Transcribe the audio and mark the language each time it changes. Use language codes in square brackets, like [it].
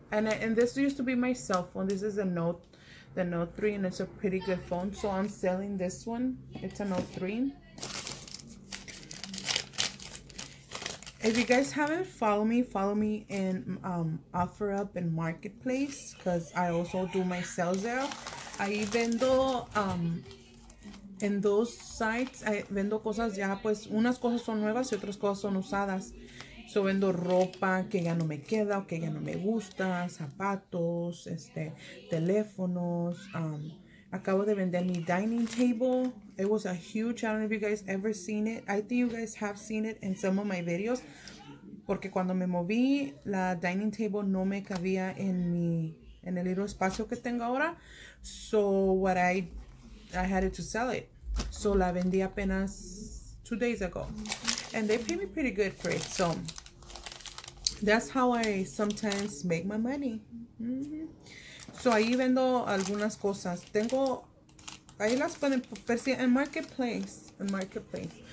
[en] And this used to be my cell phone. This is a Note 3, and it's a pretty good phone. So I'm selling this one. It's a Note 3. If you guys haven't follow me in OfferUp and Marketplace, because I also do my sales there. [es] Ahí vendo en dos sites, vendo cosas ya, pues unas cosas son nuevas y otras cosas son usadas. So vendo ropa que ya no me queda o que ya no me gusta, zapatos, teléfonos. Acabo de vender mi dining table. [en] It was a huge, I don't know if you guys ever seen it. I think you guys have seen it in some of my videos. [es] Porque cuando me moví, la dining table no me cabía en el little espacio que tengo ahora. [en] So what I had it to sell it. So [es] la vendí apenas [en] 2 days ago. And they paid me pretty good for it. So that's how I sometimes make my money. [es] So ahí vendo algunas cosas. Tengo... Ahí las pueden ver en Marketplace. En Marketplace.